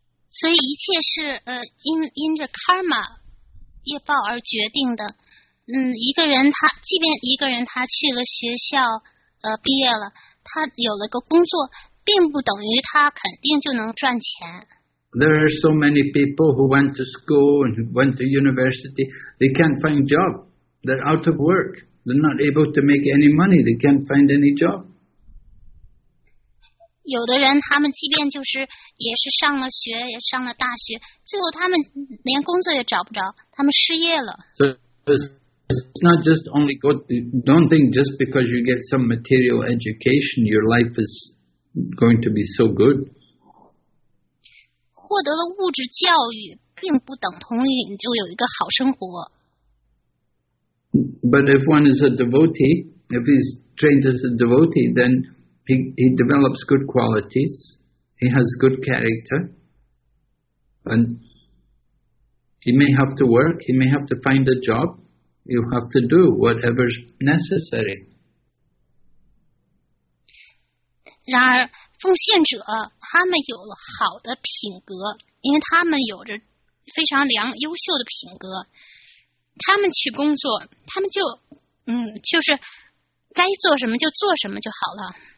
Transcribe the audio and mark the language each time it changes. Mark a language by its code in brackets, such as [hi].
[zh] 所以一切是因着 karma 业报而决定的。一个人他即便一个人他去了学校毕业了，他有了个工作，并不等于他肯定就能赚钱。 [en] There are so many people who went to school and went to university. They can't find job. They're out of work. They're not able to make any money. They can't find any job. [zh] 有的人他们即便就是也是上了学，也上了大学，最后他们连工作也找不着，他们失业了。 [en] So it's not just only good. Don't think just because you get some material education, your life is going to be so good. [zh] 获得了物质教育并不等同于你就有一个好生活。 [en] But if one is a devotee, if he's trained as a devotee, then he develops good qualities, he has good character, and he may have to work, he may have to find a job, you have to do whatever's necessary. [zh] 然而奉献者他们有了好的品格，因为他们有着非常良优秀的品格，他们去工作他们就就是该做什么就做什么就好了。